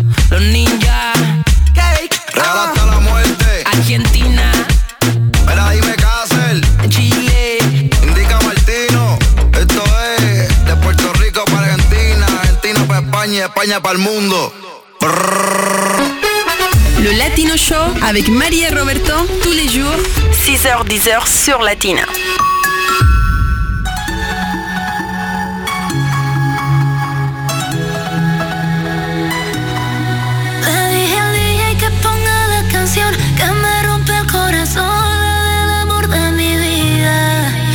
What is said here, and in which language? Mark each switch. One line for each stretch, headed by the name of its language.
Spanish: los ninjas, cake, real hasta la muerte. Argentina, mira dime Castle, Chile, Indica Martino. Esto es de Puerto Rico para Argentina, Argentina para España, España para el mundo.
French: Le Latino Show avec Marie et Roberto tous les jours 6h-10h sur Latina.
Spanish: Le dije al DJ que ponga la canción que me rompe el corazón, la del amor de mi vida.